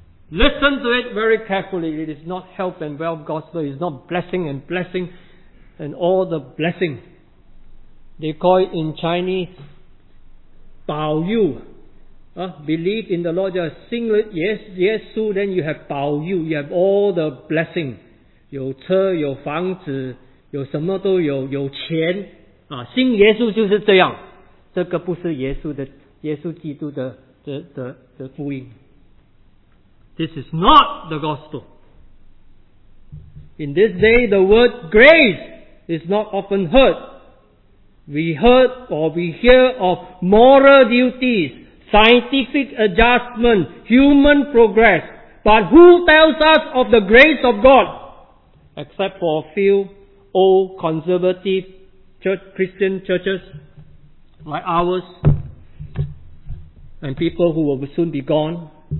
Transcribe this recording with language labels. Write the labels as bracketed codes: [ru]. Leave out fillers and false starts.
[en] Listen to it very carefully. It is not health and wealth gospel. It is not blessing and all the blessing. They call it in Chinese, Bao Yu. Believe in the Lord. Just sing it. Yes, yes, so then you have Bao Yu. You have all the blessing. [zh] 有车,有房子,有什么都有,有钱。信耶稣就是这样，这个不是耶稣基督的福音。 [en] This is not the gospel. In this day, the word grace is not often heard. We hear of moral duties, scientific adjustment, human progress. But who tells us of the grace of God? Except for a few old conservative Christian churches like ours and people who will soon be gone.